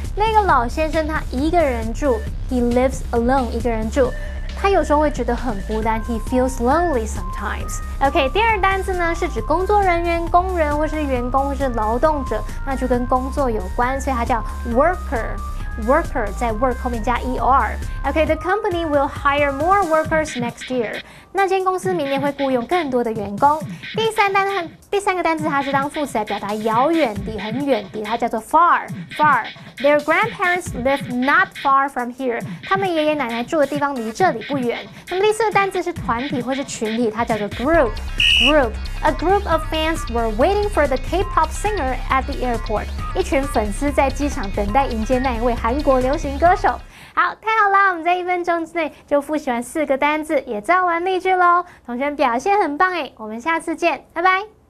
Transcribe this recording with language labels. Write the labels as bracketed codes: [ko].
[zh] 那个老先生他一个人住。 [en] He lives alone， [zh] 一个人住。他有时候会觉得很孤单。 [en] He feels lonely sometimes. [zh] OK， 第二单字呢是指工作人员、工人或是员工或是劳动者，那就跟工作有关，所以它叫 worker。 Worker 在 work 后面加 er。 [en] OK， the company will hire more workers next year. [zh] 那间公司明年会雇用更多的员工。第三个单字它是当副词来表达遥远的、很远的，它叫做 far。 [en] Far。 Their grandparents live not far from here. [zh] 他们爷爷奶奶住的地方离这里不远。那么第四个单字是团体或是群体，它叫做 group。Group。 [en] A group of fans were waiting for the K-pop singer at the airport. [zh] 一群粉丝在机场等待迎接那一位韩国流行歌手。好，太好了，我们在一分钟之内就复习完四个单字，也造完例句咯。同学们表现很棒诶，我们下次见，拜拜。